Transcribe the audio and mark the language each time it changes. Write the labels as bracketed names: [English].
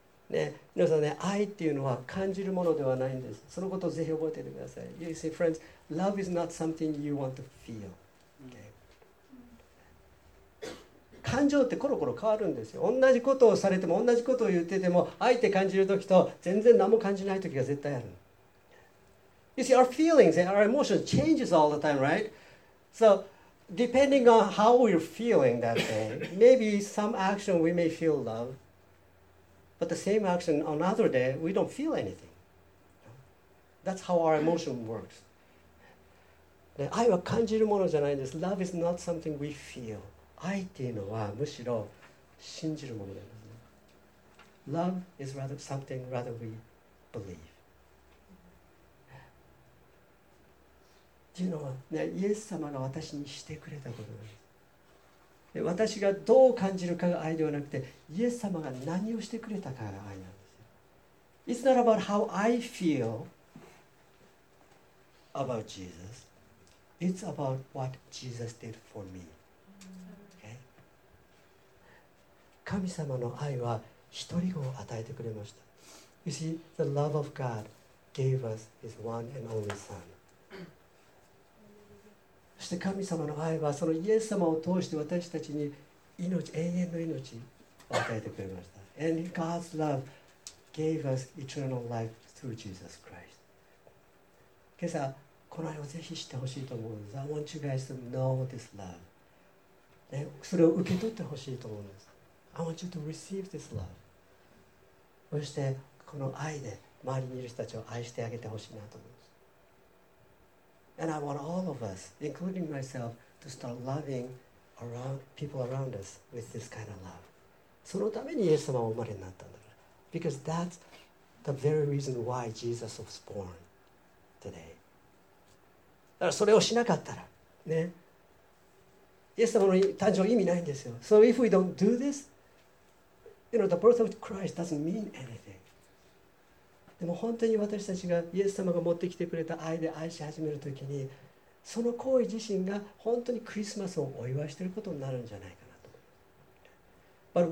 [Japanese] ね、皆さんね、愛っていうのは感じるものではないんです。そのことをぜひ覚えててください。 [English] You see, friends, love is not something you want to feel. Okay? [Japanese] 感情ってコロコロ変わるんですよ。同じことをされても、同じことを言ってても、愛って感じるときと全然何も感じないときが絶対ある。 [English] You see, our feelings and our emotions changes all the time, right? So, depending on how we're feeling that day, maybe some action we may feel love, but the same action on another day, we don't feel anything. That's how our emotion works. [Japanese] 愛は感じるものじゃないんです。 [English] Love is not something we feel. [Japanese] 愛っていうのはむしろ信じるものなんですね。 [English] Love is rather something rather we believe. [Japanese] っていうのは、ね、イエス様が私にしてくれたことなんです。私がどう感じるかが愛ではなくて、イエス様が何をしてくれたかが愛なんですよ。 [English] It's not about how I feel about Jesus. It's about what Jesus did for me. Okay? [Japanese] 神様の愛は一人子を与えてくれました。 [English] You see, the love of God gave us His one and only Son. [Japanese] そして神様の愛はそのイエス様を通して私たちに命、永遠の命を与えてくれました。 [English] And God's love gave us eternal life through Jesus Christ. [Japanese] 今朝、この愛をぜひ知ってほしいと思うんです。 [English] I want you guys to know this love.、 [Japanese] ね、それを受け取ってほしいと思うんです。 [English] I want you to receive this love. [Japanese] そしてこの愛で周りにいる人たちを愛してあげてほしいなと思うんです。 [English] And I want all of us, including myself, to start loving around, people around us with this kind of love. [Japanese] そのためにイエス様は生まれになったんだから。 [English] Because that's the very reason why Jesus was born today. [Japanese] だからそれをしなかったら、ね、イエス様の誕生意味ないんですよ。 [English] So if we don't do this, you know, the birth of Christ doesn't mean anything. [Japanese] でも本当に私たちがイエス様が持ってきてくれた愛で愛し始めるときにその行為自身が本当にクリスマスをお祝いしていることになるんじゃないかなと。